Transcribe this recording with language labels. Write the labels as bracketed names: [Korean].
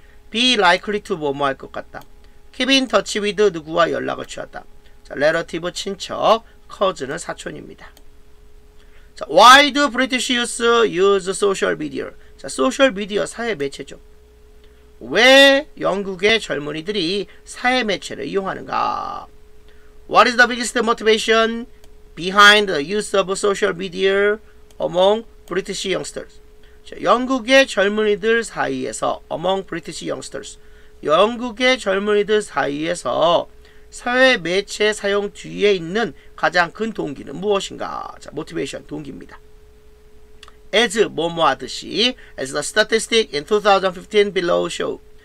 [English] Be likely to [Korean] 뭐뭐할 것 같다. [English] Keep in touch with [Korean] 누구와 연락을 취하다. [English] 자, relative 친척, cousin은 사촌입니다. 자, why do British youths use social media? [Korean] 자, social media 사회 매체죠. 왜 영국의 젊은이들이 사회 매체를 이용하는가? [English] What is the biggest motivation behind the use of social media among British youngsters? [Korean] 자, 영국의 젊은이들 사이에서 among British youngsters. 영국의 젊은이들 사이에서 사회 매체 사용 뒤에 있는 가장 큰 동기는 무엇인가? 자, motivation, 동기입니다. [English] As, 뭐뭐 하듯이, as the statistic in 2015 below show.